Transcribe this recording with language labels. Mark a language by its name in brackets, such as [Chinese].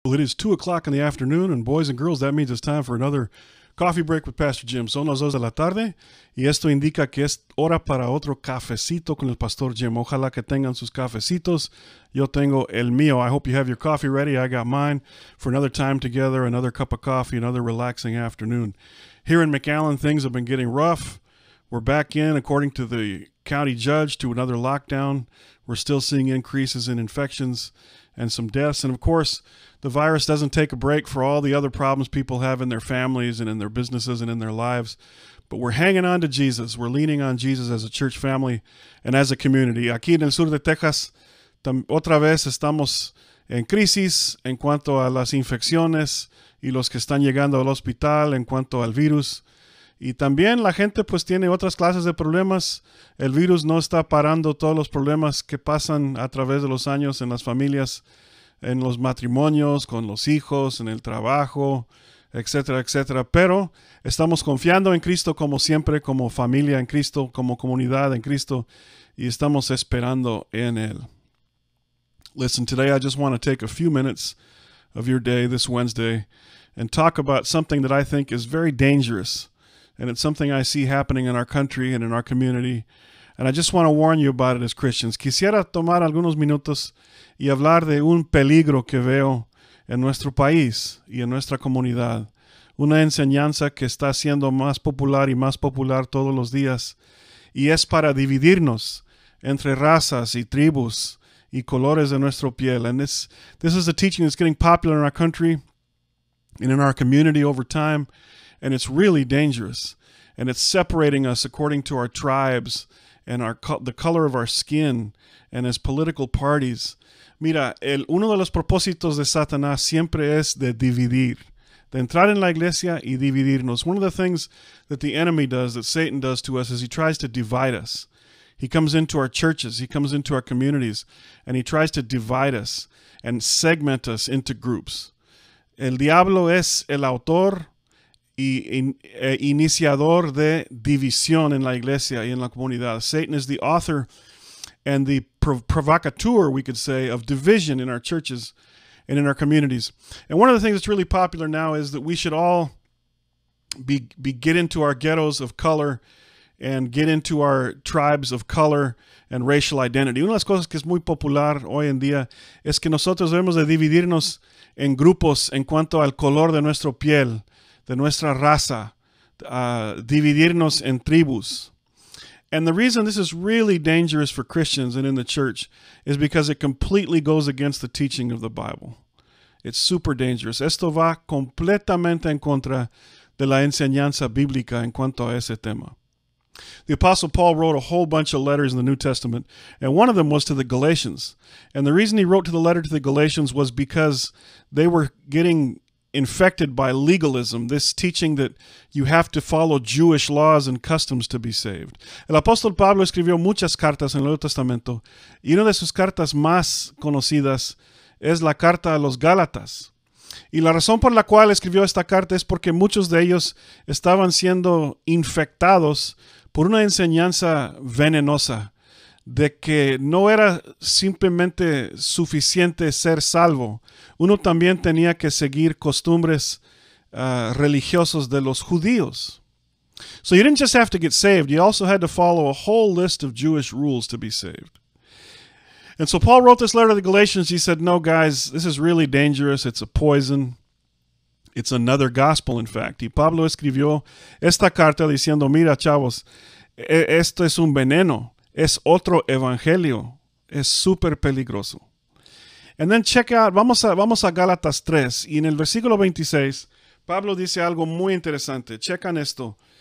[English] It is 2 o'clock in the afternoon, and boys and girls, that means it's time for another coffee break with Pastor Jim. [Spanish] Son las dos de la tarde, y esto indica que es hora para otro cafecito con el Pastor Jim. Ojalá que tengan sus cafecitos. Yo tengo el mío. [English] I hope you have your coffee ready. I got mine for another time together, another cup of coffee, another relaxing afternoon. Here in McAllen, things have been getting rough. We're back in, according to the county judge, to another lockdown. We're still seeing increases in infections and some deaths. And of course, the virus doesn't take a break for all the other problems people have in their families and in their businesses and in their lives. But we're hanging on to Jesus. We're leaning on Jesus as a church family and as a community. [Spanish] Aquí en el sur de Texas, otra vez estamos en crisis en cuanto a las infecciones y los que están llegando al hospital en cuanto al virus. Y también la gente pues tiene otras clases de problemas. El virus no está parando todos los problemas que pasan a través de los años en las familias, en los matrimonios, con los hijos, en el trabajo, etcétera, etcétera. Pero estamos confiando en Cristo como siempre, como familia en Cristo, como comunidad en Cristo, y estamos esperando en Él. [English] Listen, today I just want to take a few minutes of your day this Wednesday and talk about something that I think is very dangerous. And it's something I see happening in our country and in our community. And I just want to warn you about it as Christians. [Spanish] Quisiera tomar algunos minutos y hablar de un peligro que veo en nuestro país y en nuestra comunidad. Una enseñanza que está siendo más popular y más popular todos los días. Y es para dividirnos entre razas y tribus y colores de nuestra piel. [English] And this is a teaching that's getting popular in our country and in our community over time. And it's really dangerous, and it's separating us according to our tribes and the color of our skin and as political parties. [Spanish] Mira, uno de los propósitos de Satanás siempre es de dividir, de entrar en la iglesia y dividirnos. [English] One of the things that the enemy does, that Satan does to us, is he tries to divide us. He comes into our churches, he comes into our communities, and he tries to divide us and segment us into groups. [Spanish] El diablo es el autor y iniciador de división en la iglesia y en la comunidad. [English] Satan is the author and the provocateur, we could say, of division in our churches and in our communities. And one of the things that's really popular now is that we should all be get into our ghettos of color and get into our tribes of color and racial identity. [Spanish] Una de las cosas que es muy popular hoy en día es que nosotros debemos de dividirnos en grupos en cuanto al color de nuestra piel, de nuestra raza, dividirnos en tribus. [English] And the reason this is really dangerous for Christians and in the church is because it completely goes against the teaching of the Bible. It's super dangerous. [Spanish] Esto va completamente en contra de la enseñanza bíblica en cuanto a ese tema. [English] The Apostle Paul wrote a whole bunch of letters in the New Testament, and one of them was to the Galatians. And the reason he wrote the letter to the Galatians was because they were getting infected by legalism, this teaching that you have to follow Jewish laws and customs to be saved. [Spanish] El apóstol Pablo escribió muchas cartas en el Nuevo Testamento, y una de sus cartas más conocidas es la carta a los Gálatas. Y la razón por la cual escribió esta carta es porque muchos de ellos estaban siendo infectados por una enseñanza venenosa de que no era simplemente suficiente ser salvo. Uno también tenía que seguir costumbres religiosos de los judíos. [English] So you didn't just have to get saved. You also had to follow a whole list of Jewish rules to be saved. And so Paul wrote this letter to the Galatians. He said, no, guys, this is really dangerous. It's a poison. It's another gospel, in fact. [Spanish] Y Pablo escribió esta carta diciendo, mira, chavos, esto es un veneno. Es otro evangelio. Es súper peligroso. [English] And then check out, [Spanish] vamos a Gálatas 3. Y en el versículo 26, Pablo dice algo muy interesante. Checan esto.